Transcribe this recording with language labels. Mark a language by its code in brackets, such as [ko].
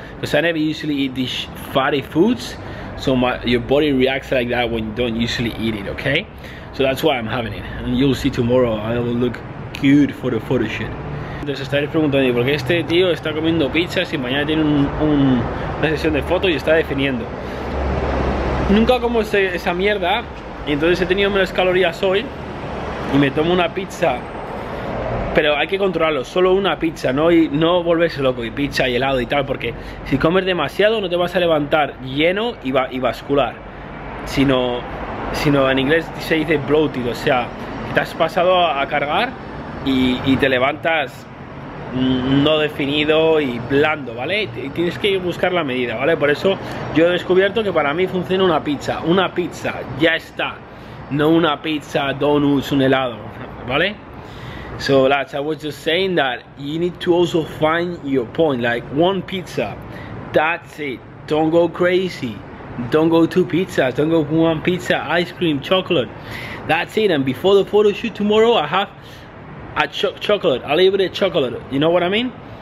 [en] Because I never usually eat these fatty foods, so your body reacts like that when you don't usually eat it, okay? So that's why I'm having it, and you'll see tomorrow I will look cute for the photo shoot. [es] Entonces estaré preguntando, ¿por qué este tío está comiendo pizzas y mañana tiene una sesión de fotos y está definiendo? Nunca como esa mierda, y entonces he tenido menos calorías hoy y me tomo una pizza. Pero hay que controlarlo, solo una pizza, ¿no? Y no volverse loco, y pizza y helado y tal, porque si comes demasiado no te vas a levantar lleno y vascular, sino en inglés se dice bloated, o sea, te has pasado a cargar y te levantas no definido y blando, ¿vale? Y tienes que buscar la medida, ¿vale? Por eso yo he descubierto que para mí funciona una pizza, ya está, no una pizza, donuts, un helado, ¿vale? [en] So lads, I was just saying that you need to also find your point, like one pizza, that's it, don't go crazy, don't go two pizzas, don't go one pizza, ice cream, chocolate, that's it. And before the photo shoot tomorrow, I have a chocolate, a little bit of chocolate, you know what I mean?